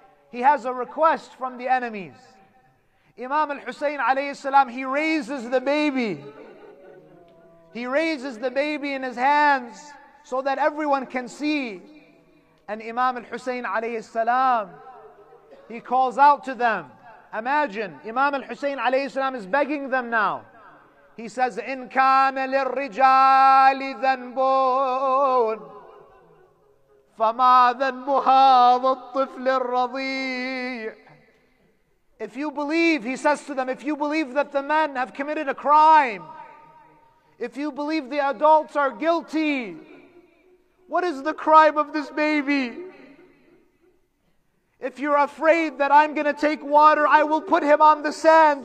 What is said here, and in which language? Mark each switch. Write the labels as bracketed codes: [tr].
[en] He has a request from the enemies. Imam al-Husayn alayhi salam, he raises the baby. He raises the baby in his hands so that everyone can see. And Imam al-Husayn alayhi salam, he calls out to them. Imagine, Imam al-Husayn alayhi salam is begging them now. He says, [ar] إِنْ كَانَ لِلْرِّجَالِ ذَنْبُونَ فَمَا ذَنْبُ هَذَا الطِّفْلِ الرَّضِيعِ. [en] If you believe, he says to them, if you believe that the men have committed a crime, if you believe the adults are guilty, what is the crime of this baby? If you're afraid that I'm going to take water, I will put him on the sand.